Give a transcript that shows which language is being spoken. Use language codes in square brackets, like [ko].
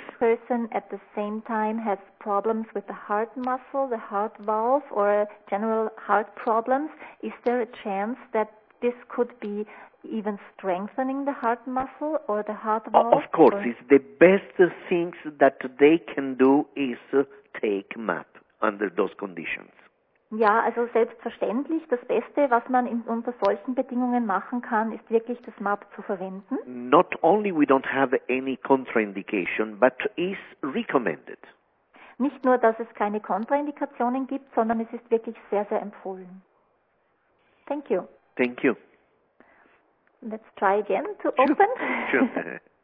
[en] this person at the same time has problems with the heart muscle, the heart valve, or general heart problems, is there a chance that this could be even strengthening the heart muscle or the heart valve? Of course. It's the best things that they can do is take MAP under those conditions. [de] Ja, also selbstverständlich, das Beste, was man unter solchen Bedingungen machen kann, ist wirklich das MAP zu verwenden. [en] Not only we don't have any contraindication, but is recommended. [de] Nicht nur, dass es keine Kontraindikationen gibt, sondern es ist wirklich sehr, sehr empfohlen. [en] Thank you. Thank you. Let's try again to sure. open. Sure.